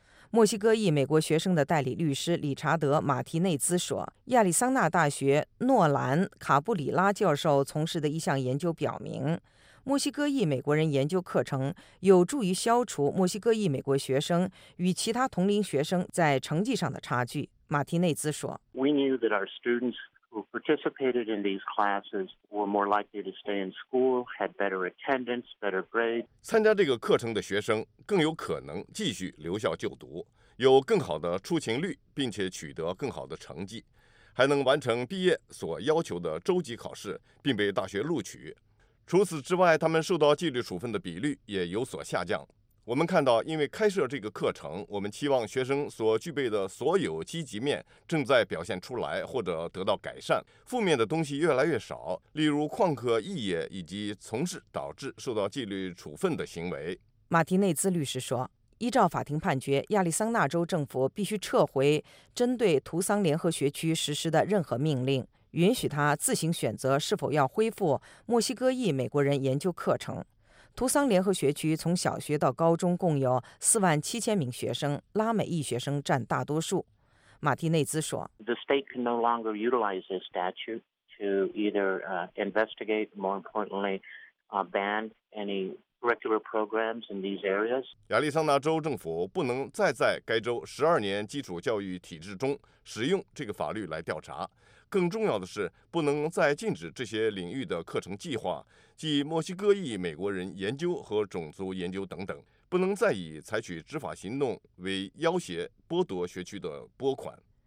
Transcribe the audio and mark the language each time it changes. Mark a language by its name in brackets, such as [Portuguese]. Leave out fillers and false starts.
[Chinese] 墨西哥裔美国学生的代理律师理查德·马提内兹说，亚利桑那大学诺兰·卡布里拉教授从事的一项研究表明，墨西哥裔美国人研究课程有助于消除墨西哥裔美国学生与其他同龄学生在成绩上的差距。马提内兹说， [English] We knew that our students who participated in these classes were more likely to stay in school, had better attendance, better grade. [Chinese] 参加这个课程的学生更有可能继续留校就读，有更好的出勤率，并且取得更好的成绩，还能完成毕业所要求的周级考试，并被大学录取。除此之外，他们受到纪律处分的比率也有所下降。我们看到，因为开设这个课程，我们期望学生所具备的所有积极面正在表现出来或者得到改善，负面的东西越来越少，例如旷课、异业以及从事导致受到纪律处分的行为。马提内兹律师说，依照法庭判决，亚利桑那州政府必须撤回针对图桑联合学区实施的任何命令，允许他自行选择是否要恢复墨西哥裔美国人研究课程。图桑联合学区从小学到高中共有47000名学生，拉美裔学生占大多数。马蒂内兹说， [English] The state can no longer utilize this statute to either investigate, more importantly, ban any regular programs in these areas. [Chinese] 亚利桑那州政府不能再在该州12年基础教育体制中使用这个法律来调查。更重要的是，不能再禁止这些领域的课程计划，即墨西哥裔美国人研究和种族研究等等，不能再以采取执法行动为要挟剥夺学区的拨款。